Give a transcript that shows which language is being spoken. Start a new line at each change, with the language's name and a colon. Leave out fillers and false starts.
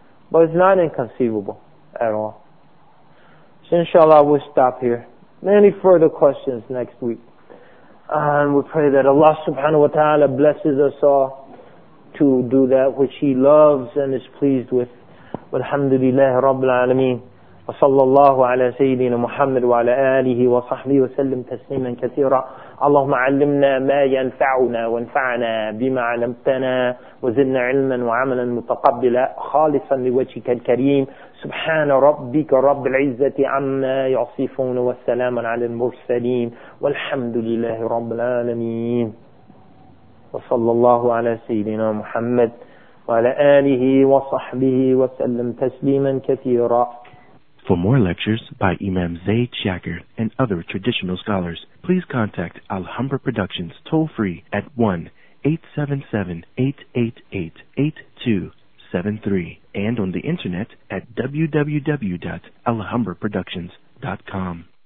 English: But it's not inconceivable at all. So inshallah, we'll stop here. Any further questions next week? And we pray that Allah subhanahu wa ta'ala blesses us all to do that which He loves and is pleased with. Walhamdulillahi Rabbil Alameen.
Arabic: وصلى الله على سيدنا محمد وعلى آله وصحبه وسلم تسليما كثيرا اللهم علمنا ما ينفعنا وانفعنا بما علمتنا وزدنا علما وعملا متقبلا خالصا لوجهك الكريم سبحان ربك رب العزة عما يصفون والسلام على المرسلين والحمد لله رب العالمين وصلى الله على سيدنا محمد وعلى آله وصحبه وسلم تسليما كثيرا
English: For more lectures by Imam Zaid Shaker and other traditional scholars, please contact Alhambra Productions toll-free at 1-877-888-8273 and on the internet at www.alhambraproductions.com.